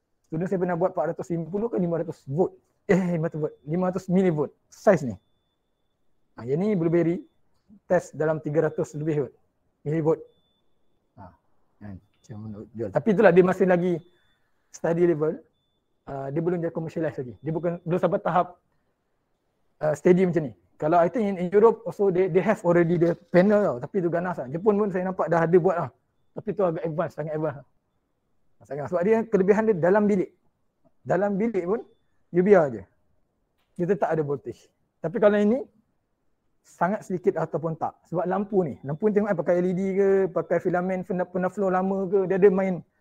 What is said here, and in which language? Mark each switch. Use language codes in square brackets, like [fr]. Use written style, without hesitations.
[ms] Sudah saya pernah buat 450 ke 500 volt. 500 volt. 500 millivolt. Size ni. Ha, yang ni blueberry. Test dalam 300 lebih volt. Millivolt. Macam nak jual. Tapi itulah dia masih lagi study level. Dia belum jadi commercialize lagi. Dia bukan belum sampai tahap steady macam ni. [en] Kalau I think in Europe also they have already the panel tau. [ms] Tapi tu ganas lah. Jepun pun saya nampak dah ada buat lah. Tapi tu agak advance, sangat advance. Sangat. Sebab dia kelebihan dia dalam bilik. Dalam bilik pun you biar je. Dia tetap ada voltage. Tapi kalau ini sangat sedikit ataupun tak. Sebab lampu ni. Lampu ni tengok pakai LED ke, pakai filamen pentaflow lama ke. Dia ada main.